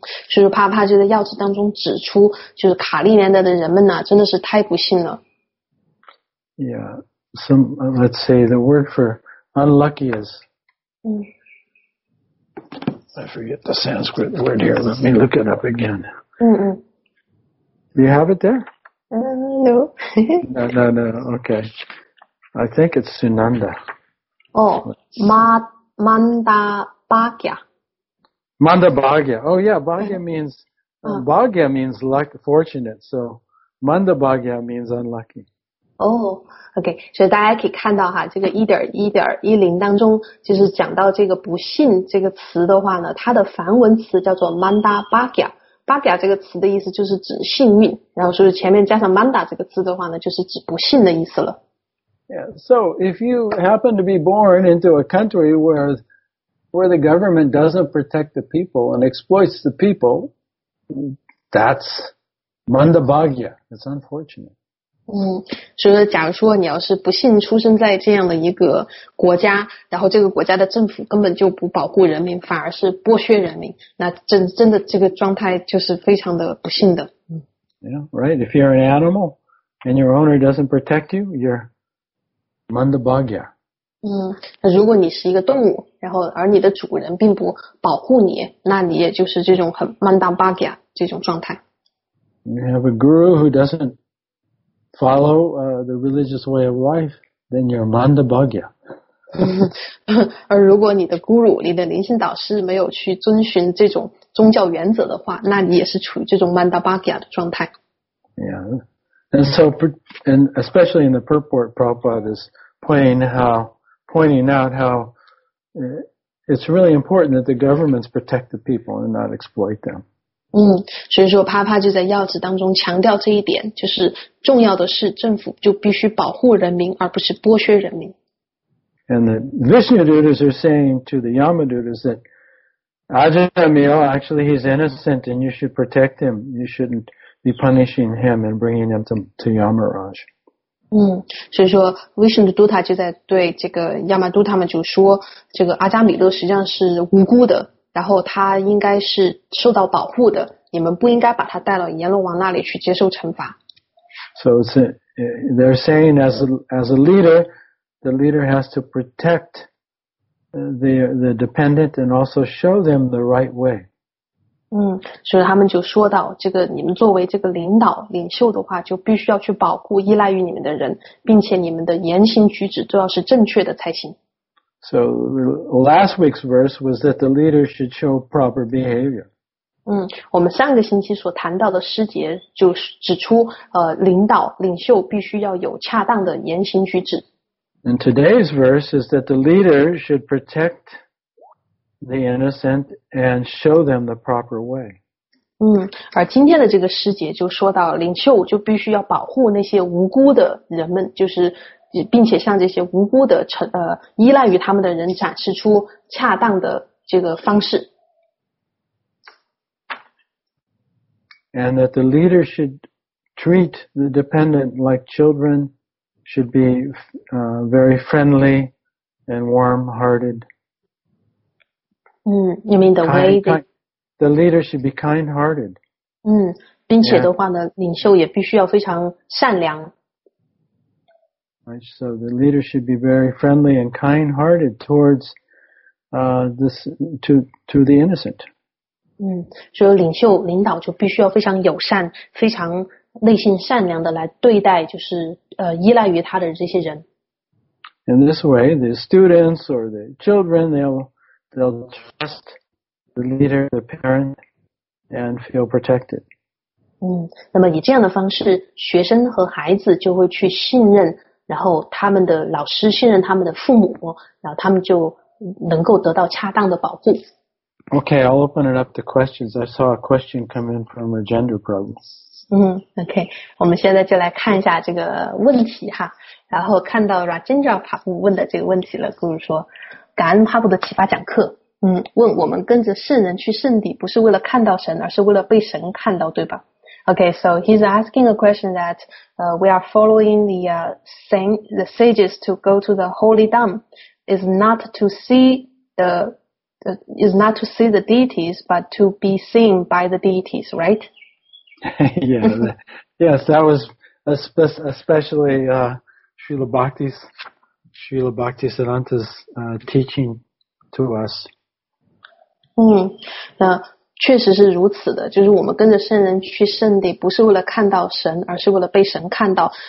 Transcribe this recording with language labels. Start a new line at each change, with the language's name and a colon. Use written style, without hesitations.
Chinese: 就是帕帕就在要旨当中指出，就是卡利年代的人们呢，真的是太不幸了。
English: Yeah, some let's say the word for unlucky is. I forget the Sanskrit word here. Let me look it up again. Do you have it there? No. No. Okay. I think it's Sunanda. Oh, Mandabhagya. Mandabhagya. Oh, yeah, Bhagya means, Bhagya means luck, fortunate. So, Mandabhagya means unlucky. Oh, okay.
Chinese: 所以大家可以看到哈，这个1.1.10当中，就是讲到这个不幸这个词的话呢，它的梵文词叫做 Mandabhagya。 Bhagya 这个词的意思就是指幸运，然后所以前面加上 Manda 这个字的话呢，就是指不幸的意思了。
English: Yeah, so if you happen to be born into a country where the government doesn't protect the people and exploits the people, that's Mandabhagya. It's unfortunate.
Chinese: 所以说假如说你要是不幸出生在这样的一个国家，然后这个国家的政府根本就不保护人民，反而是剥削人民，那真的这个状态就是非常的不幸的。
English: Yeah, right. If you're an animal and your owner doesn't protect you, you're... Mandabhagya.
Chinese: 如果你是一个动物，然后而你的主人并不保护你，那你也就是这种很 Mandabhagya 这种状态。
English: You have a guru who doesn't follow the religious way of life, then you're Mandabhagya.
Chinese: 而如果你的 guru 你的灵性导师没有去遵循这种宗教原则的话，那你也是处于这种 mandabhagya 的状态。
English: Yeah. And so, and especially in the purport, Prabhupada is pointing out how it's really important that the governments protect the people and not exploit them.
Chinese: 所以说帕帕就在要旨当中强调这一点，就是重要的是政府就必须保护人民而不是剥削人民。
English: And the Vishnudutas are saying to the Yamadutas that Ajahnamil, actually he's innocent and you should protect him. You shouldn't be punishing him and bringing him to Yamaraj.
Chinese: 所以说 Vishnudutta 就在对这个 Yamadutta 们就说，这个阿扎米勒实际上是无辜的，然后他应该是受到保护的，你们不应该把他带到阎罗王那里去接受惩罚。
English: So they're saying as a leader,the leader has to protect the dependent and also show them the right way.
Chinese: 所以他们就说到，这个你们作为这个领导领袖的话，就必须要去保护依赖于你们的人，并且你们的言行举止都要是正确的才行。
English: So last week's verse was that the leader should show proper behavior.
Chinese: 我们上个星期所谈到的诗节就指出，领导领袖必须要有恰当的言行举止。
English: And today's verse is that the leader should protect the innocent and show them the proper way.
Chinese: 而今天的这个诗节就说到，领袖就必须要保护那些无辜的人们，就是并且向这些无辜的依赖于他们的人展示出恰当的这个方式。
English: And that the leader should treat the dependent like children. Should be very friendly and warm-hearted. You mean the way the leader should be kind-hearted.
Chinese: 并且的话呢，领袖也必须要非常善良。
English: Right, so the leader should be very friendly and kind-hearted towards to the innocent.
Chinese: 所以领导就必须要非常友善，非常内心善良的来对待，就是。依赖于他的这些人。
English: In this way, the students or the children, they'll trust the leader, the parent, and feel protected.
Chinese: 那么以这样的方式，学生和孩子就会去信任，然后他们的老师信任他们的父母，然后他们就能够得到恰当的保护。
English: Okay, I'll open it up to questions. I saw a question come in from a gender problem.
Chinese: OK, 我们现在就来看一下这个问题哈，然后看到 Rajendra Prabhu 问的这个问题了，就是说感恩 Prabhu 的启发讲课，问我们跟着圣人去圣地不是为了看到神，而是为了被神看到，对吧？
English: OK, so he's asking a question that we are following the sages to go to the holy dham is not to see the deities but to be seen by the deities, right? yes, that was especially Srila Bhakti Siddhanta's teaching to us.
Chinese: 那确实是如此的，就是我们跟着圣人去圣地，不是为了看到神，而是为了被神看到。